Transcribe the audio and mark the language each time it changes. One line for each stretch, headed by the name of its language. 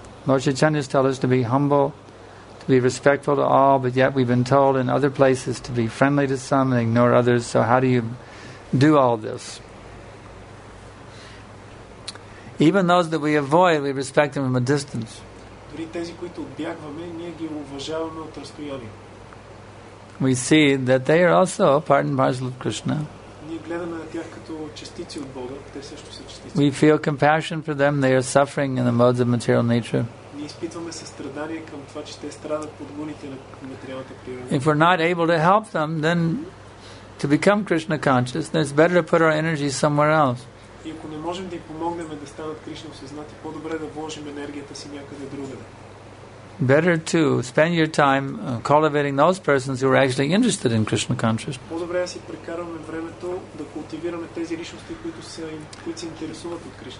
English: Lord Chaitanya has told us to be humble, to be respectful to all, but yet we've been told in other places to be friendly to some and ignore others. So how do you do all this? Even those that we avoid, we respect them from a distance.
Bulgarian: Дори тези, които отбягваме, ние ги уважаваме от разстояние.
English: We see that they are also part and parcel of Krishna.
Bulgarian: Ние гледаме на тях като частици от Бога, те също са частици.
English: We feel compassion for them, they are suffering in the modes of material nature.
Bulgarian: Ние изпитваме състрадание към това, че те страдат под гуните на материалната природа.
English: If we're not able to help them, then to become Krishna conscious, then it's better to put our energy somewhere else.
Bulgarian: И ако не можем да им помогнем да станат Кришна осъзнати, по-добре да вложим енергията си някъде другаде.
English: Better to spend your time cultivating those persons who are actually interested in Krishna consciousness.
Bulgarian: По-добре да си прекараме времето да култивираме тези личности, които се интересуват от Кришна.